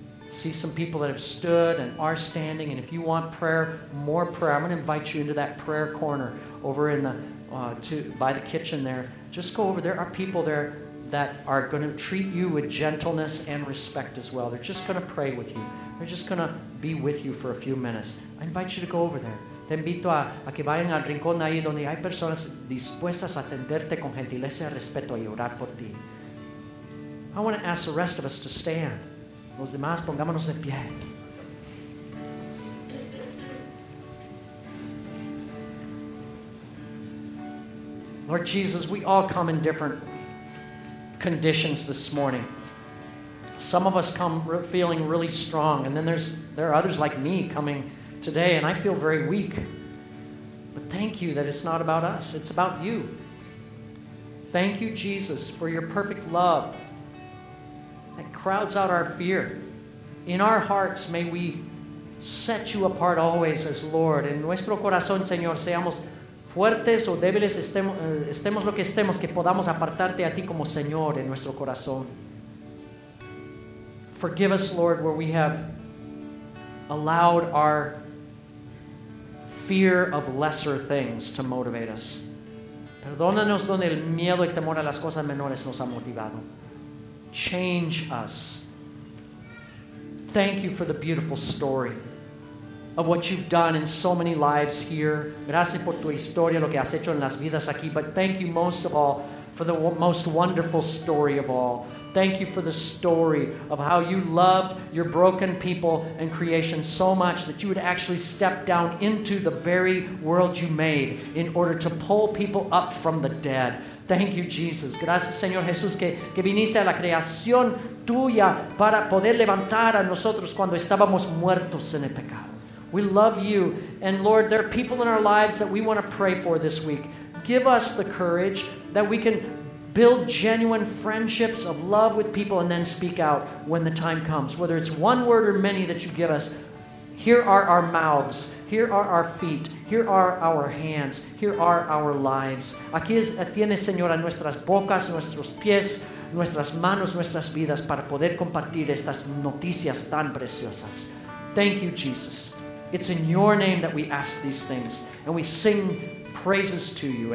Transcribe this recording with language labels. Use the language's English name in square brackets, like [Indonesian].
[English] See some people that have stood and are standing, and if you want prayer, more prayer, I'm going to invite you into that prayer corner over in the by the kitchen there. Just go over. There are people there that are going to treat you with gentleness and respect as well. They're just going to pray with you. They're just going to be with you for a few minutes. I invite you to go over there. [Spanish] Te invito a que vayan al rincón ahí donde hay personas dispuestas a atenderte con gentileza y respeto y orar por ti. [English] I want to ask the rest of us to stand. [Spanish] Los demás, pongámonos de pie. [English] Lord Jesus, we all come in different conditions this morning. Some of us come feeling really strong, and then there are others like me coming today, and I feel very weak. But thank you that it's not about us, it's about you. Thank you, Jesus, for your perfect love that crowds out our fear. In our hearts, may we set you apart always as Lord. [Spanish] En nuestro corazón, Señor, seamos fuertes o débiles, estemos lo que estemos, que podamos apartarte a ti como Señor en nuestro corazón. [English] Forgive us, Lord, where we have allowed our fear of lesser things to motivate us. [Spanish] Perdónanos donde el miedo y temor a las cosas menores nos ha motivado. [English] Change us. Thank you for the beautiful story of what you've done in so many lives here. [Spanish] Gracias por tu historia, lo que has hecho en las vidas aquí. [English] But thank you most of all for the most wonderful story of all. Thank you for the story of how you loved your broken people and creation so much that you would actually step down into the very world you made in order to pull people up from the dead. Thank you, Jesus. [Spanish] Gracias, Señor Jesús, que viniste a la creación tuya para poder levantar a nosotros cuando estábamos muertos en el pecado. [English] We love you. And Lord, there are people in our lives that we want to pray for this week. Give us the courage that we can build genuine friendships of love with people and then speak out when the time comes. Whether it's one word or many that you give us, here are our mouths, here are our feet, here are our hands, here are our lives. [Spanish] Aquí tienes, Señora, nuestras bocas, nuestros pies, nuestras manos, nuestras vidas para poder compartir estas noticias tan preciosas. [English] Thank you, Jesus. It's in your name that we ask these things and we sing praises to you.